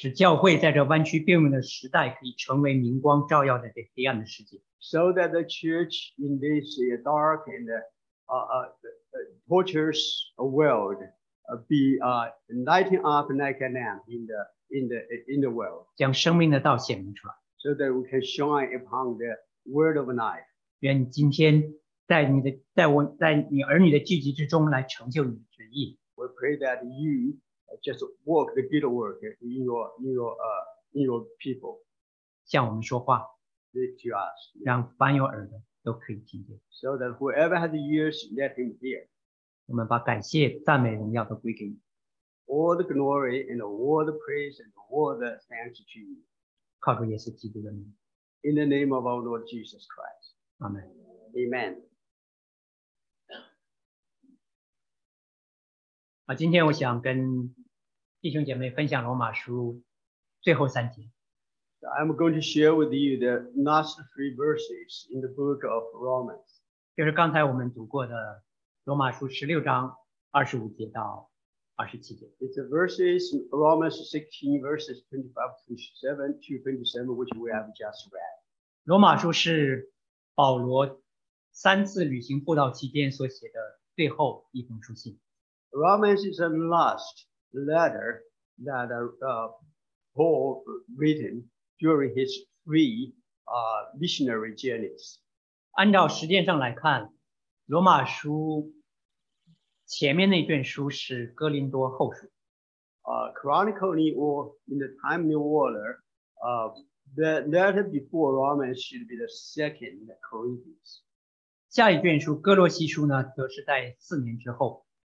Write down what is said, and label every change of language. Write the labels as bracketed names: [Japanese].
[Chinese] 使教会在这弯曲变幕的时代可以成为明光照耀的黑暗的世界。 [English] So that the church in this dark and torturous world be lighting up like a lamp in the world. [Chinese] 将生命的道显明出来。 [English] So that we can shine upon the word of life. [Chinese] 愿你今天在你的在我在你儿女的聚集之中来成就你的旨意。 [English] We pray that you just walk the good work in your people. [Chinese] 向我们说话。 [English] Speak to us. [Chinese] 让凡有耳的都可以听见。 [English] So that whoever has ears, let him hear. [Chinese] 我们把感谢、赞美、荣耀都归给你。 [English] All the glory and all the praise and all the thanks to you. [Chinese] 靠主耶稣基督的名。 [English] In the name of our Lord Jesus Christ. Amen. Amen. [Chinese] 好，今天我想跟弟兄姐妹分享罗马书最后三节。 [English] I'm going to share with you the last three verses in the book of Romans. [Chinese] 就是刚才我们读过的罗马书16章25节到27节。 [English] It's the verses Romans 16 verses 25 to 27, which we have just read. [Chinese] 罗马书是保罗三次旅行布道期间所写的最后一封书信。 [English] Romans is the last letter that Paul written during his three missionary journeys. [Chinese] 按照时间上来看，罗马书前面那卷书是哥林多后书。 [English] Chronically or in the timely order, the letter before Romans should be the second Corinthians. [Chinese] 下一卷书哥罗西书呢，则是在四年之后。